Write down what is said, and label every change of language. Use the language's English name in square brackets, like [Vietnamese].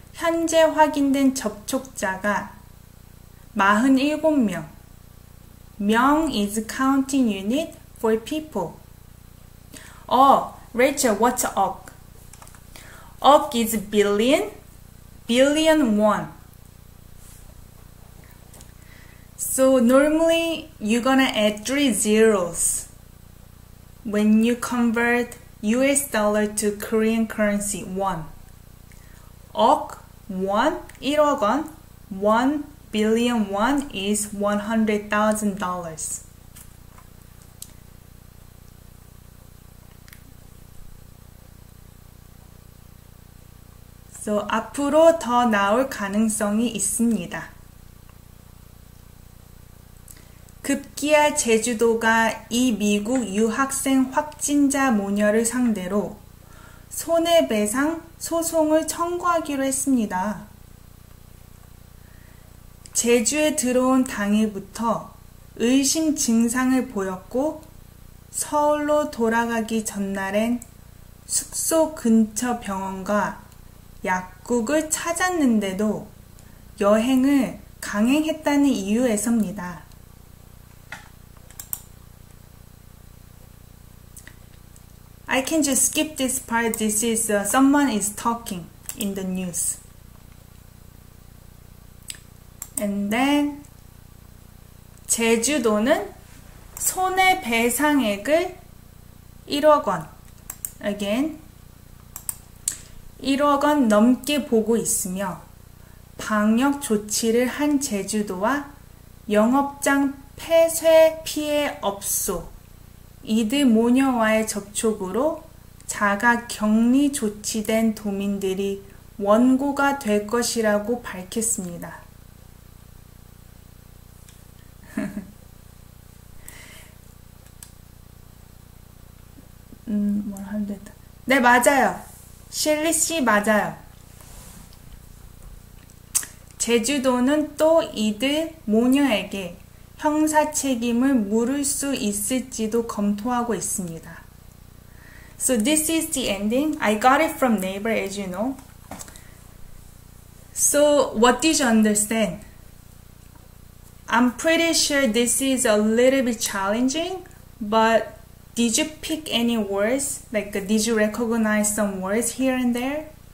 [Korean] 현재 확인된 접촉자가 47명. [English] 명 is counting unit for people. Oh, Rachel, what's OK? OK is billion, billion one. So normally you're gonna add three zeros when you convert US dollar to Korean currency, one. [Korean] 억, 원, 1억 원, [English] 1 billion won is $100,000. [Korean] So, 앞으로 더 나올 가능성이 있습니다. 급기야 제주도가 이 미국 유학생 확진자 모녀를 상대로 손해배상 소송을 청구하기로 했습니다. 제주에 들어온 당일부터 의심 증상을 보였고 서울로 돌아가기 전날엔 숙소 근처 병원과 약국을 찾았는데도 여행을 강행했다는 이유에서입니다. [English] I can just skip this part. This is someone is talking in the news. And then [Korean] 제주도는 손해배상액을 1억 원 [English] again [Korean] 1억 원 넘게 보고 있으며 방역 조치를 한 제주도와 영업장 폐쇄 피해 업소 이들 모녀와의 접촉으로 자가 격리 조치된 도민들이 원고가 될 것이라고 밝혔습니다. 뭘 하면 됐다. 네, 맞아요. 실리 씨, 맞아요. 제주도는 또 이들 모녀에게 형사 책임을 물을 수 있을지도 검토하고 있습니다. [English] So this is the ending. I got it from Naver, as you know. So what did you understand? I'm pretty sure this is a little bit challenging, but did you pick any words? Like, did you recognize some words here and there?